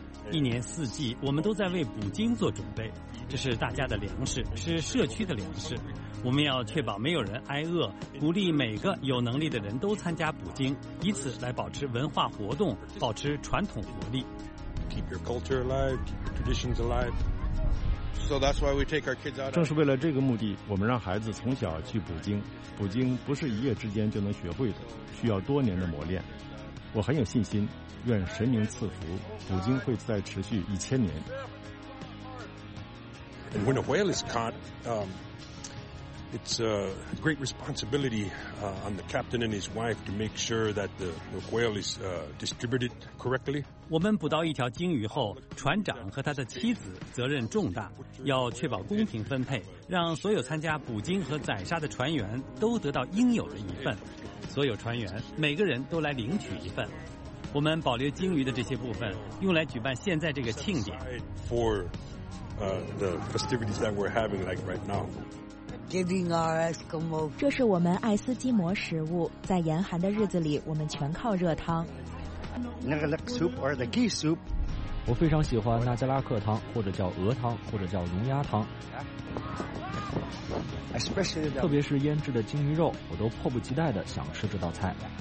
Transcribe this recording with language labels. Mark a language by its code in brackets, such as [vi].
[zh] 一年四季我们都在为捕鲸做准备，这是大家的粮食，是社区的粮食，我们要确保没有人挨饿，鼓励每个有能力的人都参加捕鲸，以此来保持文化活动，保持传统活力。 [en] Keep your culture alive, keep your traditions alive. So that's why we take our kids out. [zh] 正是为了这个目的，我们让孩子从小去捕鲸。捕鲸不是一夜之间就能学会的，需要多年的磨练。我很有信心，愿神明赐福，捕鲸会再持续1000年。 [en] And when a whale is caught, it's a great responsibility on the captain and his wife to make sure that the whale is distributed correctly. [zh] 我们捕到一条鲸鱼后，船长和他的妻子责任重大，要确保公平分配，让所有参加捕鲸和宰杀的船员都得到应有的一份。所有船员每个人都来领取一份。我们保留鲸鱼的这些部分，用来举办现在这个庆典。 [en] For the festivities that we're having, like right now. Giving our Eskimo. [zh] 这是我们爱斯基摩食物，在严寒的日子里，我们全靠热汤。 [en] Nagalak soup or the ghee soup. [zh] 我非常喜欢纳加拉克汤，或者叫鹅汤，或者叫龙鸭汤。特别是腌制的鲸鱼肉，我都迫不及待地想吃这道菜。